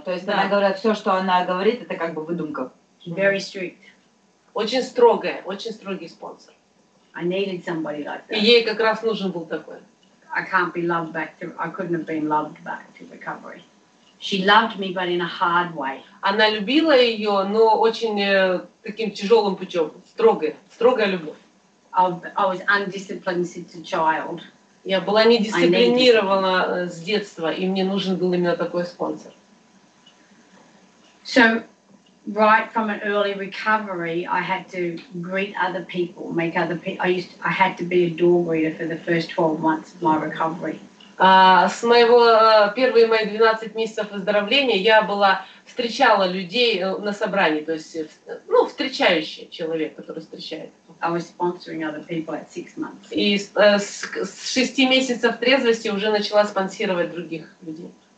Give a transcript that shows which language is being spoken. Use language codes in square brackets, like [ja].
[ru] То есть она говорит, все, что она говорит, это как бы выдумка. [en] Very strict. [ru] Очень строгая, очень строгий спонсор. [en] I needed somebody like that. [ru] И ей как раз нужен был такой. [en] I can't be loved back to. I couldn't have been loved back to recovery. She loved me, but in a hard way. [ru] Она любила ее, но очень таким тяжелым путем, строгая любовь. [en] I was undisciplined since a child. [ru] Я была недисциплинирована с детства, и мне нужен был именно такой спонсор. [en] So, right from an early recovery, I had to greet other people, make other people. I had to be a door greeter for the first 12 months of my recovery. [ru] С моего первые мои 12 месяцев выздоровления я была встречала людей на собрании, то есть ну встречающий человек, который встречает. [en] I was sponsoring other people at 6 months. [ru] И с 6 месяцев трезвости уже начала спонсировать других людей.